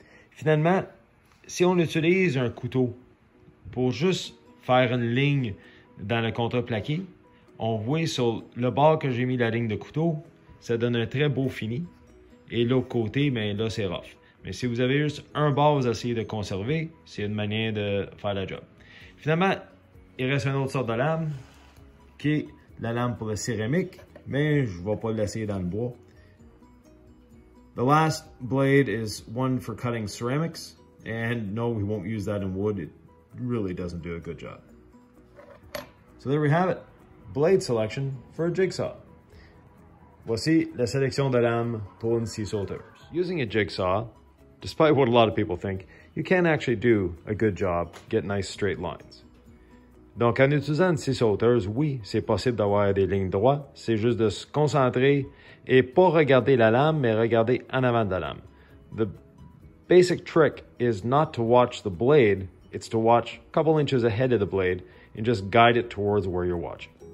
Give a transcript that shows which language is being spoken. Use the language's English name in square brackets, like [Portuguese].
[French] Finalement, si on utilise un couteau pour juste faire une ligne dans le contreplaqué, on voit sur le bord que j'ai mis la ligne de couteau, ça donne un très beau fini. Et l'autre côté, bien là, c'est rough. Mais si vous avez juste un bord, vous essayez de conserver, c'est une manière de faire la job. Finalement, il reste une autre sorte de lame, qui est la lame pour la céramique, mais je ne vais pas l'essayer dans le bois. [English] The last blade is one for cutting ceramics. And no, we won't use that in wood. Really doesn't do a good job. So there we have it. Blade selection for a jigsaw. [French] Voici la sélection de lames pour une scie sauteuse. [English] Using a jigsaw, despite what a lot of people think, you can actually do a good job, get nice straight lines. [French] Donc en utilisant une scie sauteuse, oui, c'est possible d'avoir des lignes droites. C'est juste de se concentrer et pas regarder la lame, mais regarder en avant de la lame. [English] The basic trick is not to watch the blade, it's to watch a couple inches ahead of the blade and just guide it towards where you're watching.